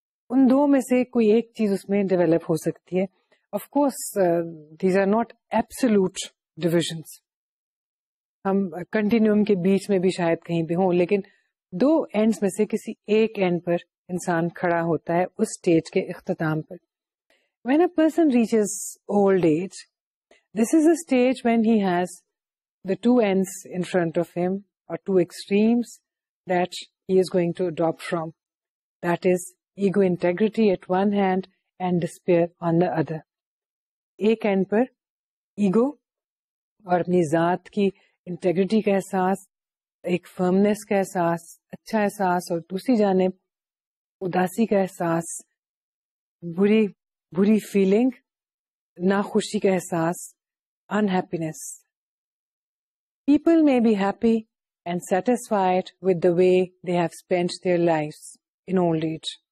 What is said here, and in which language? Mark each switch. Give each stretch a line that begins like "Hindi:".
Urdu: ان دو میں سے کوئی ایک چیز اس میں ڈیولپ ہو سکتی ہے.
English: Of course these are not absolute divisions.
Urdu: ہم continuum کے بیچ میں بھی شاید کہیں بھی ہوں, لیکن دو ends میں سے کسی ایک end پر انسان کھڑا ہوتا ہے اس stage کے اختتام پر.
English: When a person reaches old age, this is a stage when he has the two ends in front of him or two extremes that he is going to adopt from. That is ego integrity at one hand and despair on the other.
Urdu: ایک end پر ego اور اپنی ذات کی integrity کا احساس, ایک firmness کا احساس, اچھا احساس, اور دوسری جانب اداسی کا احساس, بری فیلنگ, ناخوشی کا احساس, unhappiness.
English: People may be happy and satisfied with the way they have spent their lives in old age.